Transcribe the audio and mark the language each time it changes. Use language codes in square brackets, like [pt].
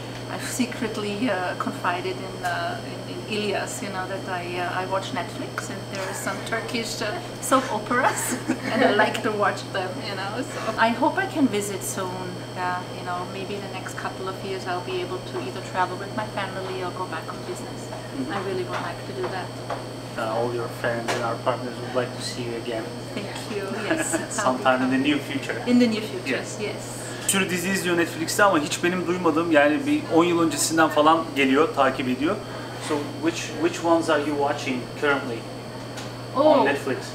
[en] I've secretly confided in Ilyas, you know, that I watch Netflix and there are some Turkish soap operas and I like to watch them, you know. So I hope I can visit soon. You know, maybe in the next couple of years I'll be able to either travel with my family or go back on business. I really would like to do that. All your friends and our partners would like to see you again. Thank you. Yes. Sometime in the near future. In the near future. Yes. Yes. [tr] Bir sürü dizi izliyor Netflix'te ama hiç benim duymadığım, yani bir 10 yıl öncesinden falan geliyor, takip ediyor. [en] So which ones are you watching currently on Netflix?